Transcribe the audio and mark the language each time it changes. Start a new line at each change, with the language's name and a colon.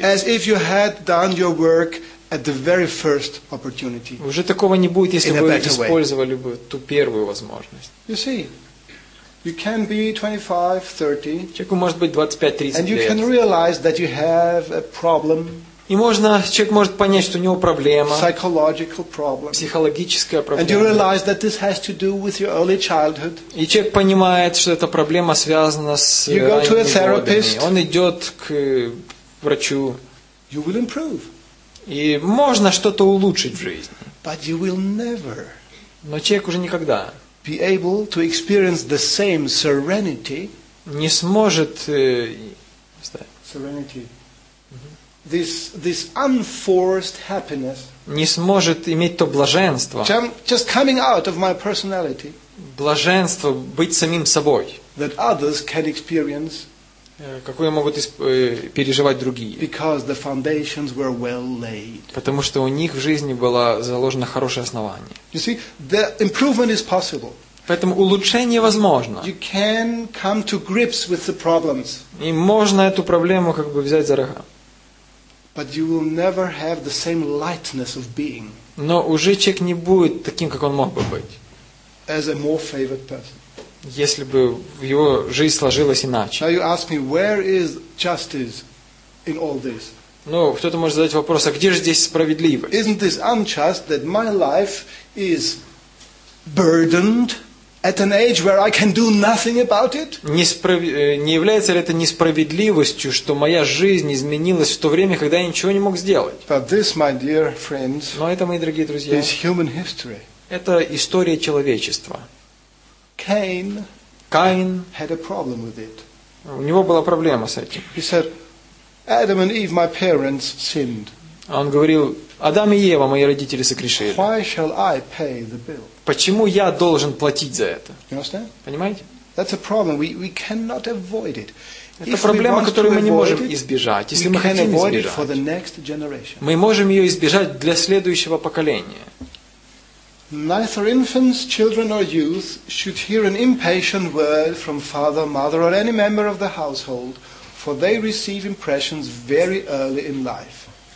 Russian: Уже такого не будет, если вы использовали бы ту первую возможность. Человеку может быть 25-30 лет, и вы можете осознать, что у вас есть проблема. И можно, человек может понять, что у него проблема,
English: psychological problem,
Russian: психологическая проблема.
English: And you realize that this has to do with your early childhood.
Russian: И человек понимает, что эта проблема связана с ранними годами.
English: You go to a therapist.
Russian: Он идет к врачу.
English: You will improve.
Russian: И можно что-то улучшить в жизни.
English: But you will never.
Russian: Но человек уже никогда
English: be able to experience the same serenity.
Russian: Не сможет
English: serenity. This unforced happiness.
Russian: Не сможет иметь то блаженство.
English: Just coming out of my personality.
Russian: Блаженство быть самим собой.
English: That others can experience.
Russian: Какое могут переживать другие.
English: Because the foundations were well laid.
Russian: Потому что у них в жизни было заложено хорошее основание.
English: You see, the improvement is possible.
Russian: Поэтому улучшение возможно.
English: You can come to grips with the problems.
Russian: И можно эту проблему как бы взять за рога.
English: But you will never have the same lightness of being.
Russian: Но уже человек не будет таким, как он мог бы быть.
English: As a more favored person.
Russian: Если бы его жизнь сложилась иначе.
English: Now you ask me, where is justice in all this?
Russian: Ну, кто-то может задать вопрос, а где же здесь справедливость?
English: Isn't this unjust that my life is burdened at an age where I can do nothing about it?
Russian: Не является ли это несправедливостью, что моя жизнь изменилась в то время, когда я ничего не мог сделать?
English: But this, my dear friends,
Russian: но это, мои дорогие друзья,
English: is human history.
Russian: Это история человечества.
English: Cain had a problem with it.
Russian: У него была проблема с этим.
English: He said, Adam and Eve, my parents, sinned.
Russian: Он говорил, Адам и Ева, мои родители, согрешили.
English: Why shall I pay the bill?
Russian: Почему я должен платить за это?
English: You understand?
Russian: Понимаете?
English: That's a problem. We cannot avoid it.
Russian: Это проблема, которую мы не можем избежать. Если мы хотим избежать,
English: for the next generation.
Russian: Мы можем ее избежать для следующего поколения.
English: Neither infants, children, or youth should hear an impatient word from father, mother, or any member of the household, for they receive impressions very early in life.